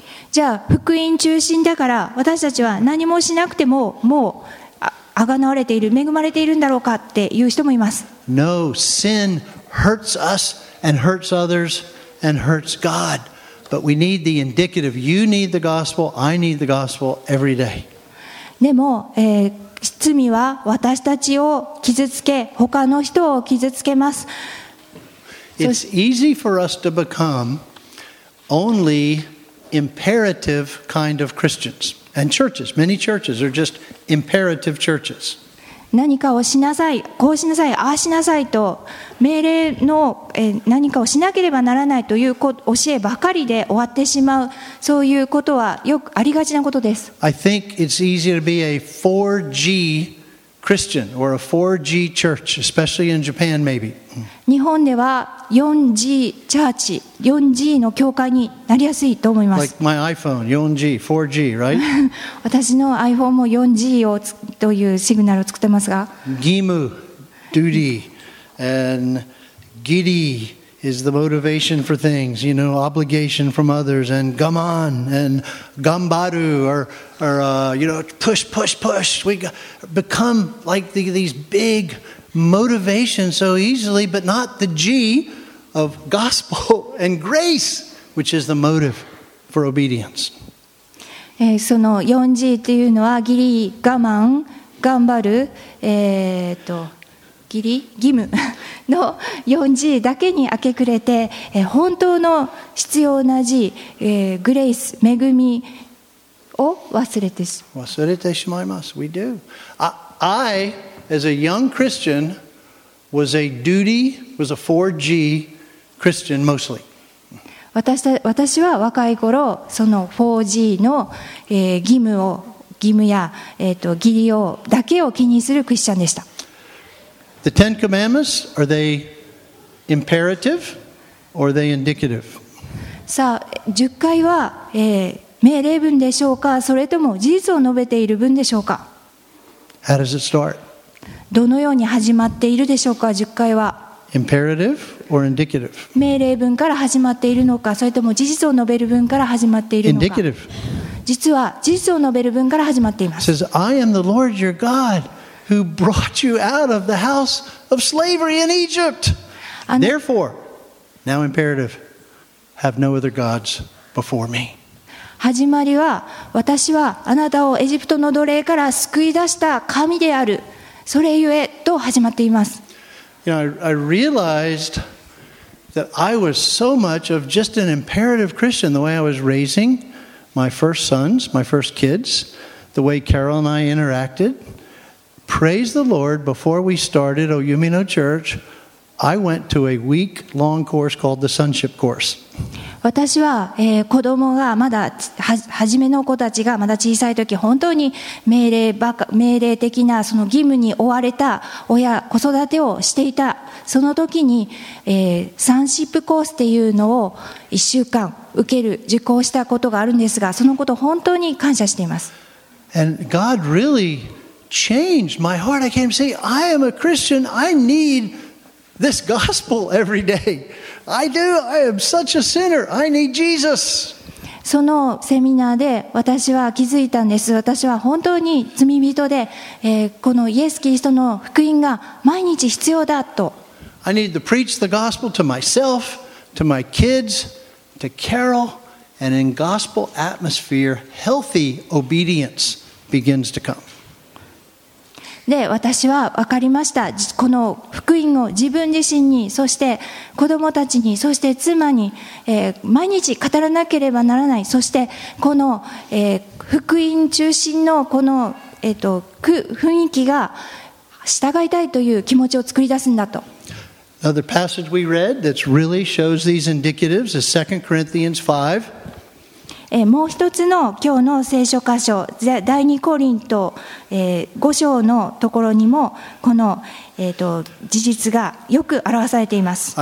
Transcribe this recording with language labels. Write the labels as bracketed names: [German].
[Japanese] じゃあ福音中心だから私たちは何もしなくてももう贖われている、恵まれているんだろうかっていう人もいます。 [English] No, sin hurts us and hurts others and hurts God. But we need the indicative. You need the gospel. I need the gospel every day. [Japanese] でも、罪は私たちを傷つけ、他の人を傷つけます。 [English] It's easy for us to become onlyimperative kind of Christians and churches. Many churches are just imperative churches. [Japanese] 何かをしなさい、こうしなさい、ああしなさいと命令の何かをしなければならないという教えばかりで終わってしまう、そういうことはよくありがちなことです。 [English] I think it's easier to be a 4G Christian or a 4G church, especially in Japan, maybe. [Japanese] 日本では 4G チャーチ、4G の教会になりやすいと思います。 [English] Like my iPhone, 4G, 4G, right? [Japanese] 私の iPhone も 4G をというシグナルを作ってますが。 [English] 義務、duty, and giddy is the motivation for things. You know, obligation from others, and 我慢 and 頑張る push. We become like these big. Motivation so easily, but not the G of gospel and grace, which is the motive for obedience. [Japanese] その 4G というのは義理、我慢、頑張る、義理、義務の 4G だけに明け暮れて、本当の必要な G、グレイス、恵みを忘れてしまいます。忘れてしまいます。 [English] We do. I... As a young Christian, was a duty, was a 4G Christian mostly. [Japanese] 私は若い頃その 4G の、義務や義理をだけを気にするクリスチャンでした。 [English] The Ten Commandments, are they imperative or are they indicative? [Japanese] さあ、十戒は、命令文でしょうか、それとも事実を述べている文でしょうか。 [English] How does it start? [Japanese] どのように始まっているでしょうか、十戒は。 [English] Imperative or indicative? [Japanese] 命令文から始まっているのか、それとも事実を述べる文から始まっているのか。 [English] Indicative. [Japanese] 実は事実を述べる文から始まっています。 [English] It says, I am the Lord your God who brought you out of the house of slavery in Egypt. Therefore, now imperative. Have no other gods before me. [Japanese] 始まりは私はあなたをエジプトの奴隷から救い出した神であるそれゆえと始まっています [English] you know, I realized that I was so much of just an imperative Christian the way I was raising my first sons, my first kids the way Carol and I interacted praise the Lord before we started Oyumino Church I went to a week long course called the Sonship course [Japanese] 私は、子供がまだ初めの子たちがまだ小さい時本当に命令的なその義務に追われた親子育てをしていたその時に、サンシップコースというのを1週間受ける受講したことがあるんですがそのこと本当に感謝しています [English] And God really changed my heart I came to say I am a Christian I needThis gospel every day. I do. I am such a sinner. I need Jesus. [Japanese] そのセミナーで私は気づいたんです。私は本当に罪人で、このイエス・キリストの福音が毎日必要だと。 [English] I need to preach the gospel to myself, to my kids, to Carol, and in gospel atmosphere, healthy obedience begins to come. [Japanese] で私は分かりましたこの福音を自分自身にそして子供たちにそして妻に、毎日語らなければならないそしてこの、福音中心のこの、雰囲気が従いたいという気持ちを作り出すんだと [English] Another passage we read that really shows these indicatives is 2 Corinthians 5 [Japanese] もう一つの今日の聖書箇所第二コリント五章のところにもこの事実がよく表されています。